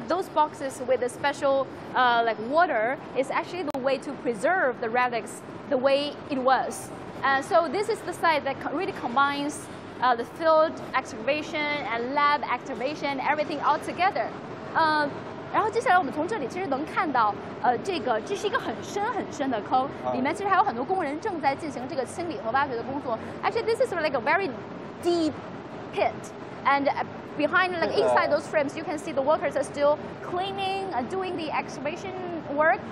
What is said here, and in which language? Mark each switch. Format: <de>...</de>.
<en>Those boxes with the special water is actually the way to preserve the relics the way it was. So this is the site that really combines the field excavation and lab excavation, everything all together.</en> <zh>然后接下来我们从这里其实能看到，这个这是一个很深很深的坑，里面其实还有很多工人正在进行这个清理和挖掘的工作.</zh> <en>Actually, this is like a very deep pit, and behind, like inside those frames, you can see the workers are still cleaning and doing the excavation work.</en>